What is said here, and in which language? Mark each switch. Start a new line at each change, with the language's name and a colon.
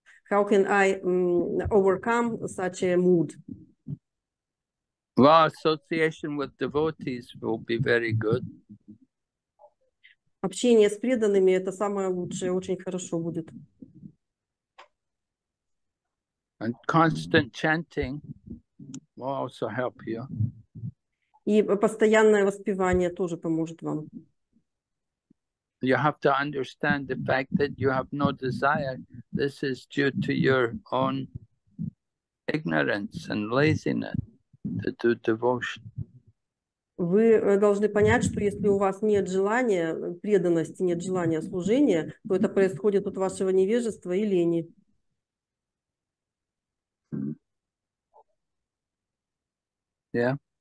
English: How can I overcome such a mood? Well, association with devotees will be very good.
Russian: Общение с преданными – это самое лучшее, очень хорошо будет.
English: And constant chanting will also help you.
Russian: И постоянное воспевание тоже поможет вам.
English: You have to understand the fact that you have no desire. This is due to your own ignorance and laziness to do devotion.
Russian: Вы должны понять, что если у вас нет желания преданности, нет желания служения, то это происходит от вашего невежества и лени.
English: Yeah.